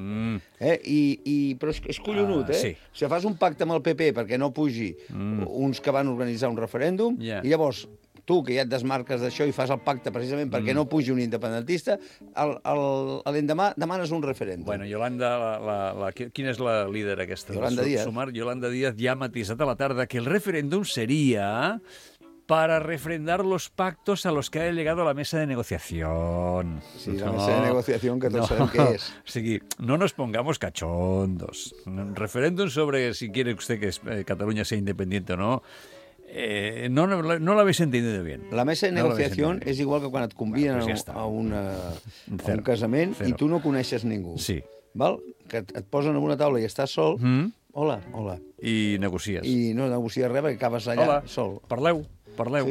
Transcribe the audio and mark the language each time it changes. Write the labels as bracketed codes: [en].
[ca] Mm. Però és collonut, eh? Sí. Si fas un pacte amb el PP perquè no pugi, mm, uns que van organitzar un referèndum, [en] yeah, [ca] i llavors tu, que ja et desmarques d'això i fas el pacte precisament perquè, mm, no pugi un independentista, l'endemà demanes un referèndum. Bueno, Yolanda, quina és la líder aquesta? Yolanda Díaz. Sumar, Yolanda Díaz, ja matisat a la tarda que el referèndum seria [es] para refrendar los pactos a los que ha llegado a la mesa de negociación. Sí, la mesa de negociación, que todos saben qué es. [ca] O sigui, [es] no nos pongamos cachondos. Un referéndum sobre si quiere usted que Cataluña sea independiente o no. [ca] No l'havies [es] entendido bien. [ca] La mesa de negociació és igual que quan et conviden, bueno, pues ja a un casament, [es] cero, [ca] i tu no coneixes ningú. Sí. Val? Que et posen en una taula i estàs sol. Mm. Hola, hola. I negocies. I no negocies res perquè acabes allà, hola, sol. Parleu, parleu.